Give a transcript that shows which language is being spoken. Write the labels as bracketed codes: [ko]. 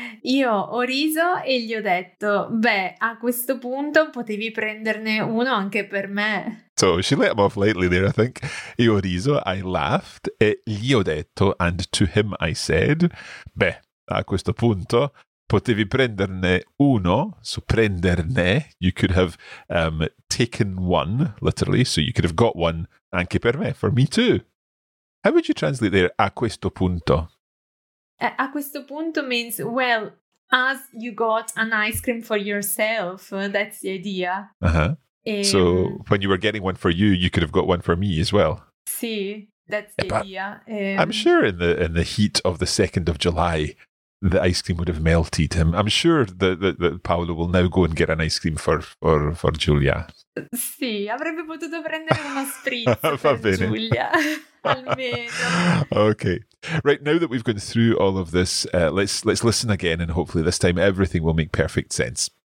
[it] Io ho riso e gli ho detto, beh, a questo punto potevi prenderne uno anche per me. [en] So she let him off lightly there, I think. Io riso, I laughed, e gli ho detto, and to him I said, beh, a questo punto potevi prenderne uno, so prenderne, you could have taken one, literally, so you could have got one anche per me, for me too. How would you translate there, a questo punto? A questo punto means, well, as you got an ice cream for yourself, that's the idea. Uh-huh. So when you were getting one for you, you could have got one for me as well. Sì, that's the idea. I'm sure in the heat of the 2nd of July, the ice cream would have melted him. I'm sure that Paolo will now go and get an ice cream for Giulia. [it] Sì, avrebbe potuto prendere una spritz per bene. Giulia, almeno. [en] Okay. Right, now that we've gone through all of this, let's listen again, and hopefully this time everything will make perfect sense.